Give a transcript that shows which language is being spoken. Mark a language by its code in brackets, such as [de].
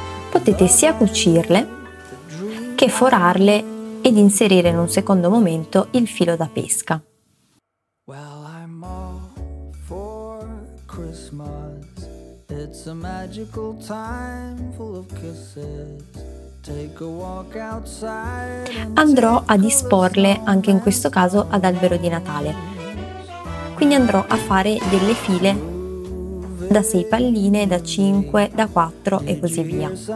[it] Potete sia cucirle che forarle ed inserire in un secondo momento il filo da pesca. [en] Well, I'm all for Christmas. It's a magical time full of kisses. Take a walk outside. [it] Andrò a disporle anche in questo caso ad albero di Natale. Quindi andrò a fare delle file da 6 palline, da 5, da 4 e così via.